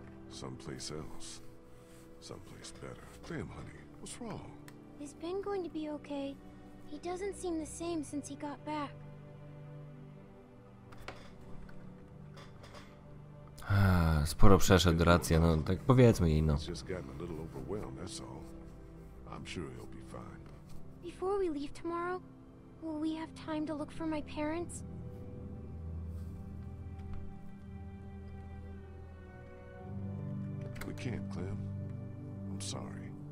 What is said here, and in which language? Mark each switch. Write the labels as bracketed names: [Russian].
[English] Someplace else. Someplace better. Clem, honey, what's wrong? Is Ben going to be okay? He doesn't seem the same since he got back. [Polish] Sporo przeszedł, racja, no tak powiedzmy jej, no. [English] He's just gotten a little overwhelmed, that's all. I'm sure he'll be fine. Before we leave tomorrow, will we have time to look for my parents? We can't, Clem. I'm sorry.